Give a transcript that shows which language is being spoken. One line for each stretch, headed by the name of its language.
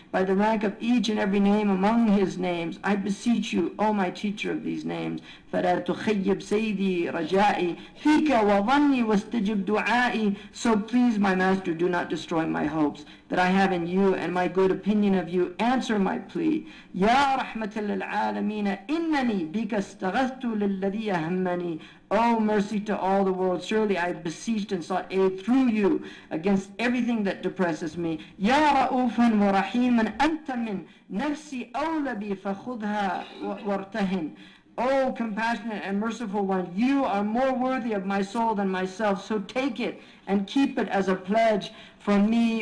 English: By the rank of each and every name among his names, I beseech you, O my teacher of these names,
Arabic: فَلَا تُخَيِّبْ سَيْدِي رَجَائِي فِيكَ وَظَنِّي وَاسْتَجِبْ دُعَائِي
English: So please, my master, do not destroy my hopes that I have in you and my good opinion of you. Answer my plea.
Arabic: يَا رَحْمَةَ لِلْعَالَمِينَ إِنَّنِي بِكَ اسْتَغَثْتُ لِلَّذِي يَهَمَّنِي
English: Oh, mercy to all the world. Surely I beseeched and sought aid through you against everything that depresses me.
Arabic: يَا رَؤُوفًا وَرَحِيمًا أَنْتَ مِنْ نَفْسِي أَوْلَى بِي فَخُذْهَا وَارْتَهِنْ
English: Oh, compassionate and merciful one, you are more worthy of my soul than myself, so take it and keep it as a pledge from me.